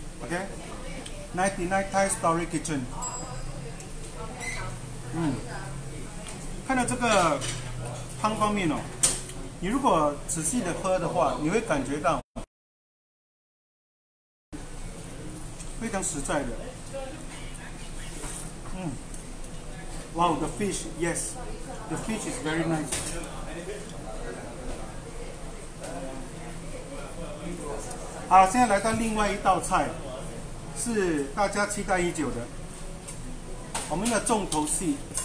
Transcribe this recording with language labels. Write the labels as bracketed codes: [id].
[zh] OK， 99 Thai Story Kitchen。看到有这个汤方面哦，你如果仔细的喝的话，你会感觉到非常实在的。 [en] 嗯 ，Wow, the fish, yes, the fish is very nice. [zh] 好，现在来到另外一道菜，是大家期待已久的，我们的重头戏。